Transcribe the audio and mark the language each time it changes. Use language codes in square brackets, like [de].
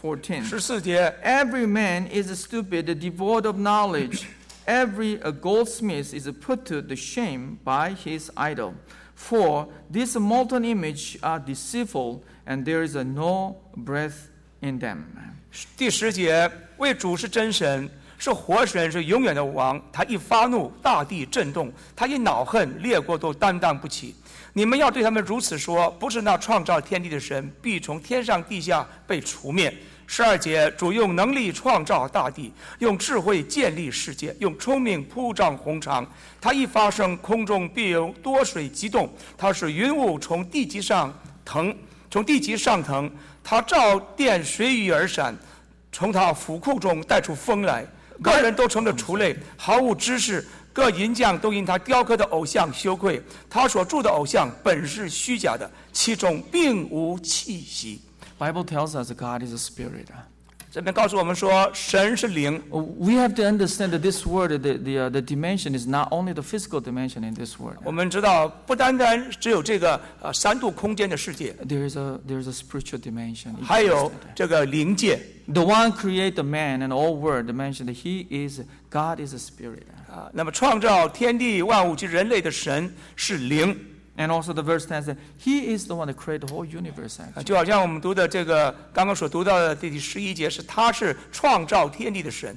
[en] 14. 14. Every man is stupid, devoid of knowledge. Every goldsmith is put to the shame by his idol. For this molten image are deceitful, and there is no breath in them. [zh] 第十节，为主是真神，是活神，是永远的王。他一发怒，大地震动；他一恼恨，列国都担当不起。你们要对他们如此说：不是那创造天地的神，必从天上地下被除灭。十二节，主用能力创造大地，用智慧建立世界，用聪明铺张宏长。他一发声，空中必有多水激动，他使云雾从地极上腾，从地极上腾。他照电随雨而闪，从他府库中带出风来。各人都成了畜类，毫无知识。各银匠都因他雕刻的偶像羞愧。他所铸的偶像本是虚假的，其中并无气息。 [en] Bible tells us God is a spirit. [zh] 这边告诉我们说神是灵。 [en] We have to understand that this word, the dimension is not only the physical dimension in this world. [zh] 我们知道不单单只有这个三度空间的世界。 [en] There is a spiritual dimension. [zh] 还有这个灵界。 [en] The one created the man and all world mentioned He is God is a spirit. [zh] 那么创造天地万物及人类的神是灵。 [en] And also the verse says that He is the one that created the whole universe. [zh] 就好像我们读的这个刚刚所读到的第十一节是他是创造天地的神。